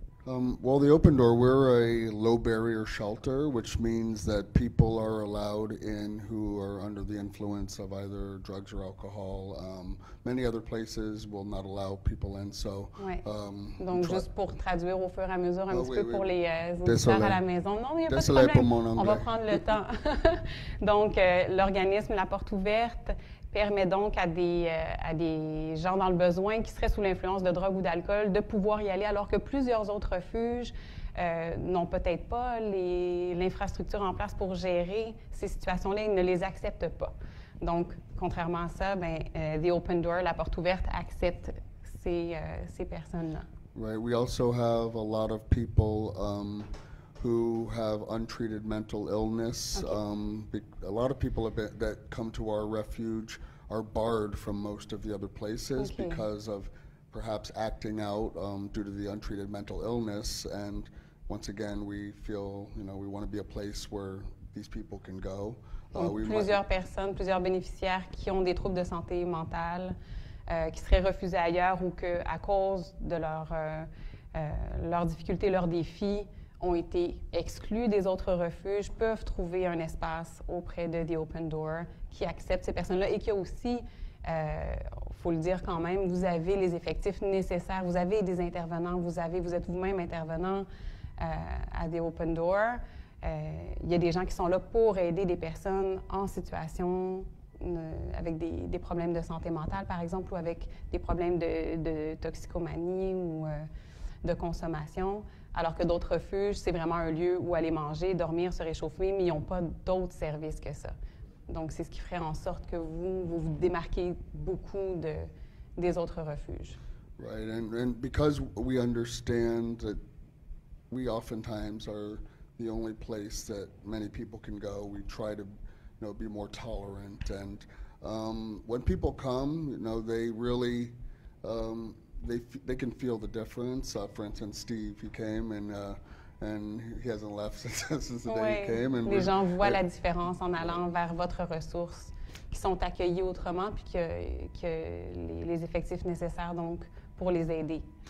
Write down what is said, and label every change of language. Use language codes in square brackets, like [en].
[en] Well, the Open Door, we're a low barrier shelter, which means that people are allowed in who are under the influence of either drugs or alcohol. Many other places will not allow people in, so... [fr] Juste pour traduire au fur et à mesure pour les auditeurs à la maison. Non, il n'y a pas de problème, on va prendre le temps. Donc, l'organisme La Porte Ouverte permet donc à des gens dans le besoin qui seraient sous l'influence de drogue ou d'alcool de pouvoir y aller, alors que plusieurs autres refuges n'ont peut-être pas l'infrastructure en place pour gérer ces situations-là et ne les acceptent pas. Donc, contrairement à ça, The Open Door, La Porte Ouverte, accepte ces personnes-là. [en] Right. We also have a lot of people who have untreated mental illness. A lot of people that come to our refuge are barred from most of the other places because of perhaps acting out due to the untreated mental illness. And once again, we feel, you know, we want to be a place where these people can go. [fr] Plusieurs bénéficiaires qui ont des troubles de santé mentale qui seraient refusés ailleurs ou que à cause de leurs difficultés, leurs défis, ont été exclus des autres refuges, peuvent trouver un espace auprès de The Open Door qui accepte ces personnes-là et qui a aussi, faut le dire quand même, vous avez les effectifs nécessaires, vous avez des intervenants, vous êtes vous-même intervenant à The Open Door. Il y a des gens qui sont là pour aider des personnes en situation avec des problèmes de santé mentale, par exemple, ou avec des problèmes de toxicomanie ou de consommation. Alors que d'autres refuges, c'est vraiment un lieu où aller manger, dormir, se réchauffer, mais ils n'ont pas d'autres services que ça. Donc, c'est ce qui ferait en sorte que vous démarquez beaucoup des autres refuges. [en] Right, and because we understand that we oftentimes are the only place that many people can go, we try to, you know, be more tolerant. And when people come, you know, they really... They can feel the difference. For instance, Steve, he came and he hasn't left since the day he came. [fr] Les gens voient la différence en allant vers votre ressource, qui sont accueillis autrement, puis que les effectifs nécessaires donc pour les aider.